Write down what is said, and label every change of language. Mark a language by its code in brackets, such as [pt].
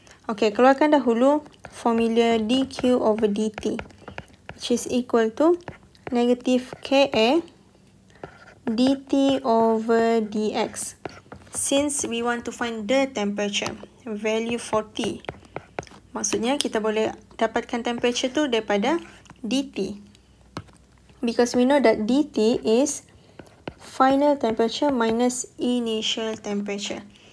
[en] Okay, [ms] keluarkan dahulu [en] formula dQ over dT, which is equal to negative Ka dT over dx. Since we want to find the temperature, value for T. [ms] Maksudnya, kita boleh dapatkan temperature tu daripada dT. [en] Because we know that dT is final temperature minus initial temperature.